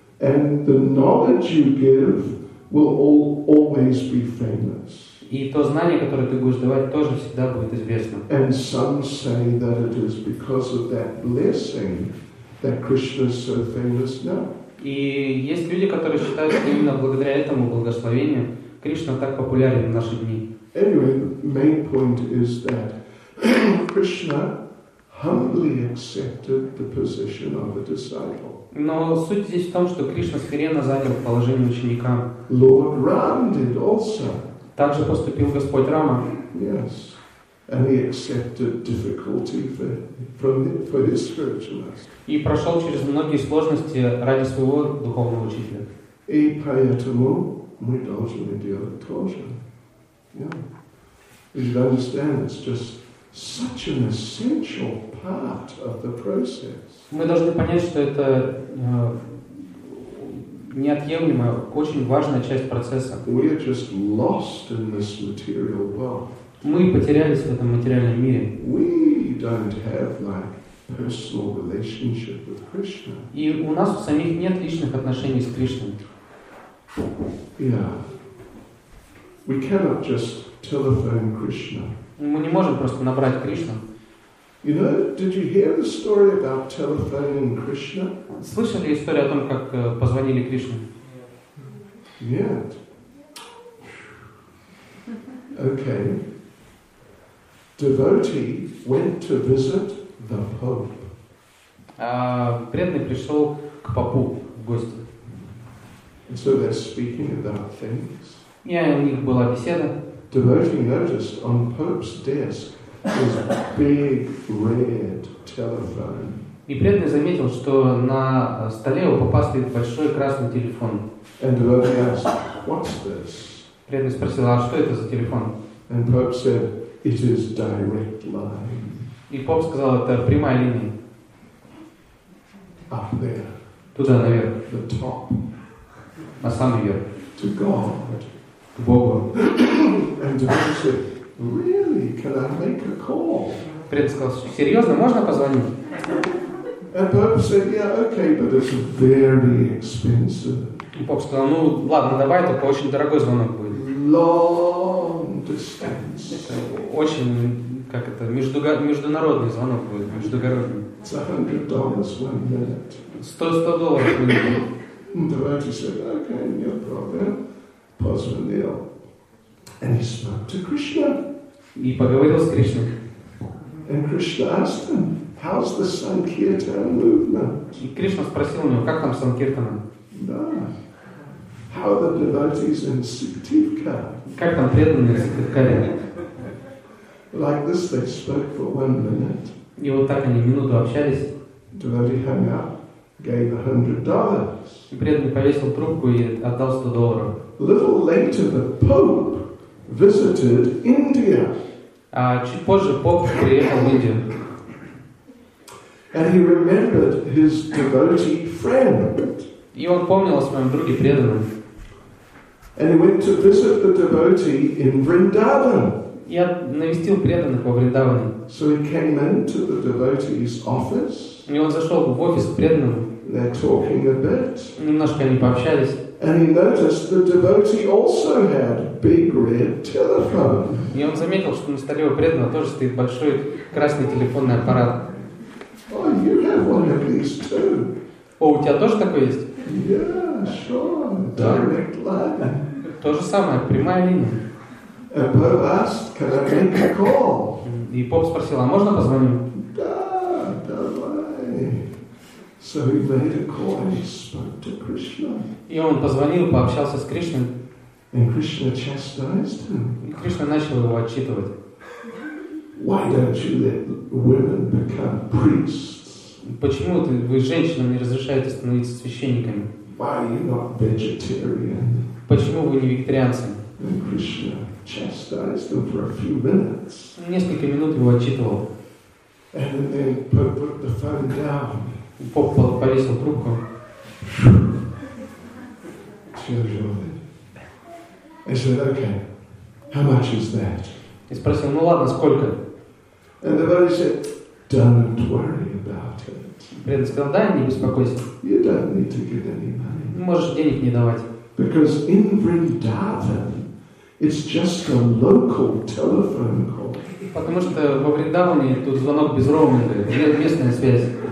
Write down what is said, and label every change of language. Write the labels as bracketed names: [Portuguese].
[English] And the knowledge you give will always be famous. [Russian] И то знание, которое ты будешь давать, тоже всегда будет известно. [English] And some say that it is because of that blessing that Krishna is so famous now. [Russian] И есть люди, которые считают, что именно благодаря этому благословению Кришна так популярен в наши дни. [English] Anyway, the main point is that Krishna humbly accepted the position of a disciple. [Russian] Но суть здесь в том, что Кришна смиренно занял положение ученика. [English] Lord Ram did also. [Russian] Также поступил Господь Рама. [English] Yes, and he accepted difficulty for his spiritual master. [Russian] И прошел через многие сложности ради своего духовного учителя. И поэтому мы должны делать тоже. [English] Yeah. You should understand, it's just such an essential part of the process. [Russian] Мы должны понять, что это неотъемлемая, очень важная часть процесса. [English] We are just lost in this material world. [Russian] Мы потерялись в этом материальном мире. [English] We don't have like personal relationship with Krishna. [Russian] И у нас у самих нет личных отношений с Кришной. [English] Yeah. We cannot just telephone Krishna. [Russian] Мы не можем просто набрать Кришну. [English] You know, did you hear the story about telephoning Krishna? [Russian] Слышали историю о том, как позвонили Кришне? Нет. [English] Okay. Devotee went to visit the Pope. [Russian] Преданный пришел к попу в гости. [English] And so they're speaking about things. [Russian] Yeah, у них была беседа. [English] Devotee noticed on Pope's desk this big red telephone. [Russian] И преданный заметил, что на столе у попа стоит большой красный телефон. [English] And devotee asked, "What's this?" [Russian] Преданный спросил, а что это за телефон? [English] And Pope said, "It is direct line." [Russian] И поп сказал, это прямая линия. [English] Up there. [Russian] Туда наверх. [English] The top. [Russian] На самый верх. [English] To God. [Russian] К Богу. [English] And devotee said, "Really? Can I make a call?" [Russian] Преданный сказал, серьезно, можно позвонить? [English] And Pope said, "Yeah, okay, but it's very expensive." [Russian] И Поп сказал, ну ладно, давай, только очень дорогой звонок будет. [English] Long distance. [Russian] Это очень, как это, международный звонок будет, междугородный. [English] It's $100 one minute. $100 one minute. And Pope said, "Okay, no problem." [Russian] Позвонил. [English] And he spoke to Krishna. [Russian] И поговорил с Кришной. [English] And Krishna asked him, "How's the Sankirtan movement?" [Russian] И Кришна спросил у него, как там Санкиртана? [English] Да. How are the devotees in Siddhivkar? [Russian] Как там преданные в Сиддхивкаре? [English] Like this they spoke for 1 minute. [Russian] И вот так они минуту общались. [English] Devotee hung up. gave $100. [Russian] И при этом повесил трубку и отдал $100. [English] Little later, the Pope visited India. [Russian] А чуть позже поп приехал в Индию. [English] And he remembered his devotee friend. [Russian] И он помнил о своем друге преданном. [English] And he went to visit the devotee in Vrindavan. [Russian] Я навестил преданных во Вриндаване. [English] So he came into the devotee's office. [Russian] И он зашел в офис преданного. [English] They're talking a bit. [Russian] Немножко они пообщались. [English] And he noticed the devotee also had big red telephone. [Russian] И он заметил, что на столе у преданного тоже стоит большой красный телефонный аппарат. [English] Oh, you have one of these too. [Russian] О, у тебя тоже такой есть? [English] Yeah, sure. Direct line. [Russian] То же самое, прямая линия. [English] And Pope asked, can I make a call? [Russian] И поп спросил, а можно позвоним? Да, давай. [English] So he made a call and he spoke to Krishna. [Russian] И он позвонил, пообщался с Кришной. [English] And Krishna chastised him. [Russian] И Кришна начал его отчитывать. [English] Why don't you let women become priests? [Russian] Почему вы женщинам не разрешаете становиться священниками? [English] Why are you not vegetarian? [Russian] Почему вы не вегетарианцы? [English] And Krishna chastised him for a few minutes. [Russian] Несколько минут его отчитывал. [English] And then put the phone down. [Russian] Поп повесил трубку. [English] I said, okay, how much is that? [Russian] И спросил, ну ладно, сколько? [English] And the devotee said, don't worry about it. [Russian] Преданный сказал, да, не беспокойся. [English] You don't need to give any money. [Russian] Можешь денег не давать. [English] Because in Vrindavan, it's just a local telephone call. [Russian] Потому что во Вриндаване тут звонок без роуминга, нет местная связь.